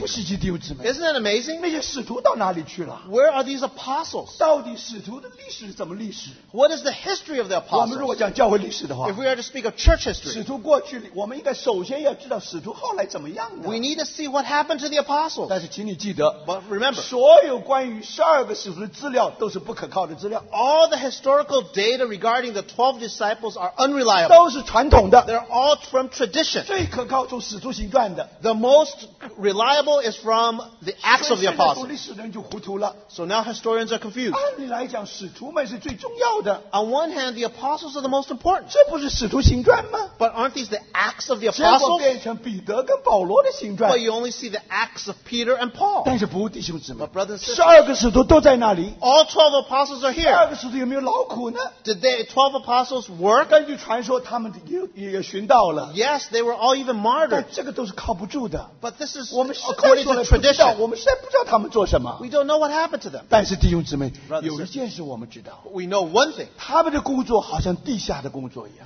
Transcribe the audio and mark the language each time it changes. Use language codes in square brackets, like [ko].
[zh] 不稀奇弟兄姊妹。 [en] Isn't that amazing? [zh] 那些使徒到哪里去了? [en] Where are these apostles? [zh] 到底使徒的历史是怎么历史? [en] What is the history of the apostles? [zh] 我们如果讲教会历史的话, [en] if we are to speak of church history, [zh] 使徒过去, 我们应该首先要知道使徒后来怎么样的。 [en] We need to see what happened to the apostles. [zh] 但是请你记得, [en] but remember, [zh] 所有关于12个使徒的资料都是不可靠的资料。 [en] All the historical data regarding the 12 disciples are unreliable. They're all from tradition. The most reliable is from the Acts of the Apostles. So now historians are confused. [zh] 按理来讲, [en] on one hand, the apostles are the most important. [zh] 这不是使徒行传吗? [en] But aren't these the Acts of the Apostles? But you only see the Acts of Peter and Paul. [zh] 但是不,弟兄姊妹, [en] but brothers and sisters, all 12 apostles are here. [zh] 12个使徒有没有劳苦呢? [en] Did the 12 apostles work? [zh] 根据传说他们也寻到了。 [en] Yes, they were all even martyred. [zh] 这个都是靠不住的。 [en] But this is according to tradition. [zh] 我们实在不知道他们做什么。 [en] We don't know what happened to them. [zh] 但是弟兄姊妹, brothers, 有一件事我们知道。 [en] We know one thing. [zh] 他们的工作好像地下的工作一样。